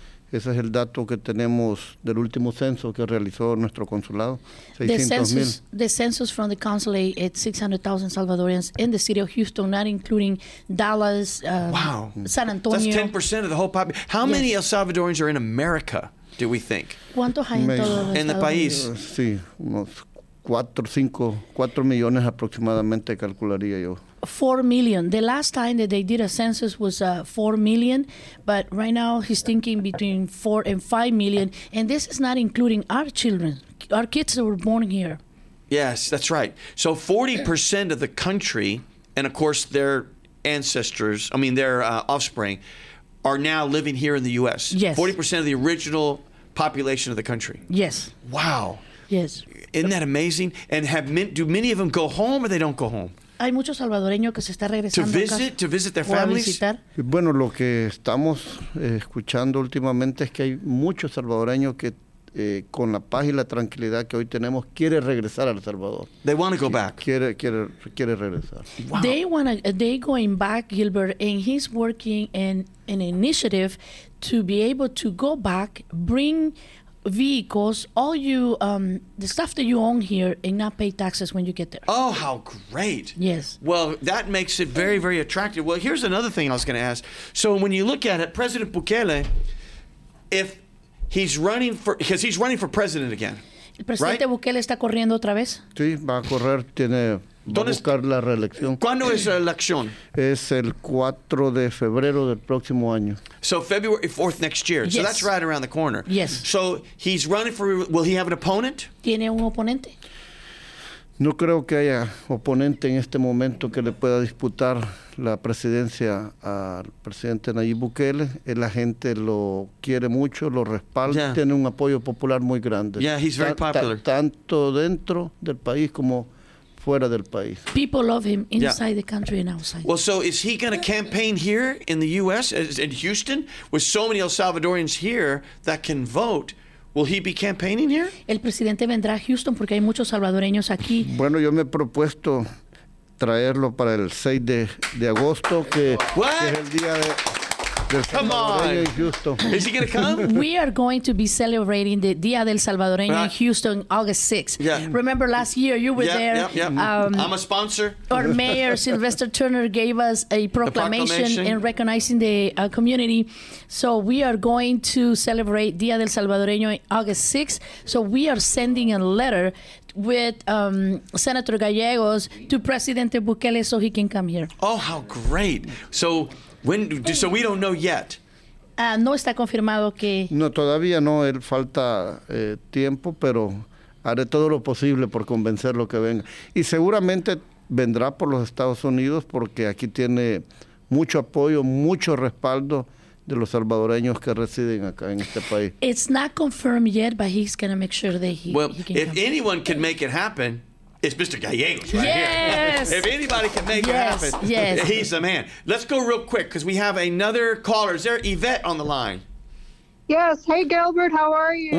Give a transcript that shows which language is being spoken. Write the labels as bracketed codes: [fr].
[es] Ese es el dato que tenemos del último censo que realizó nuestro consulado. 600,000. [en] The census from the consulate, it's 600,000 Salvadorians in the city of Houston, not including Dallas, San Antonio. That's 10% of the whole population. How many El Salvadorians are in America, do we think? [es] ¿Cuántos hay en todo el país? En el país. Sí, unos 4 millones aproximadamente calcularía yo. [en] 4 million. The last time that they did a census was 4 million, but right now he's thinking between 4 and 5 million, and this is not including our children, our kids that were born here. Yes, that's right. So 40% of the country, and of course their ancestors, I mean their offspring, are now living here in the U.S. Yes. 40% of the original population of the country. Yes. Wow. Yes. Isn't that amazing? And do many of them go home or they don't go home? [es] Hay muchos salvadoreños que se está regresando a visitar sus familias. Bueno, lo que estamos escuchando últimamente es que hay muchos salvadoreños que con la paz y la tranquilidad que hoy tenemos quiere regresar a El Salvador. [en] They want to go back. [es] Quiere regresar. [en] Wow. They going back, Gilbert, and he's working in an initiative to be able to go back, bring vehicles, all you, the stuff that you own here, and not pay taxes when you get there. Oh, how great. Yes. Well, that makes it very, very attractive. Well, here's another thing I was going to ask. So when you look at it, President Bukele, if he's running for, because he's running for president again, [es] ¿El presidente [en] right? [es] Bukele está corriendo otra vez? Sí, va a correr, tiene, va a buscar la reelección. ¿Cuándo es la elección? Es el 4 de febrero del próximo año. [en] So February 4th next year. Yes. So that's right around the corner. Yes. So he's running for, will he have an opponent? [es] ¿Tiene un oponente? No creo que haya oponente en este momento que le pueda disputar la presidencia al presidente Nayib Bukele. La gente lo quiere mucho, lo respalda, tiene un apoyo popular muy grande. [en] Yeah, he's very popular. [es] Tanto dentro del país como fuera del país. [en] People love him inside the country and outside. Well, so is he going to campaign here in the U.S., in Houston, with so many El Salvadorians here that can vote? Will he be campaigning here? [es] El presidente vendrá a Houston porque hay muchos salvadoreños aquí. Bueno, yo me he propuesto traerlo para el 6 de agosto, que es el día de... [en] Come on. Is he going to come? We are going to be celebrating the Dia del Salvadoreño in Houston, August 6th. Yeah. Remember last year you were there. Yeah. I'm a sponsor. Our mayor, Sylvester Turner, gave us a proclamation in recognizing the community. So we are going to celebrate Dia del Salvadoreño August 6th. So we are sending a letter with Senator Gallegos to President Bukele so he can come here. Oh, how great. So... When, so we don't know yet. [es] No está confirmado que... No, todavía no. Él falta tiempo, pero haré todo lo posible por convencerlo que venga. Y seguramente vendrá por los Estados Unidos porque aquí tiene mucho apoyo, mucho respaldo de los salvadoreños que residen acá en este país. [en] It's not confirmed yet, but he's going to make sure that he can come. If anyone can make it happen... It's Mr. Gallegos right here. If anybody can make it happen, he's the man. Let's go real quick because we have another caller. Is there Yvette on the line? Yes. Hey, Gilbert. How are you?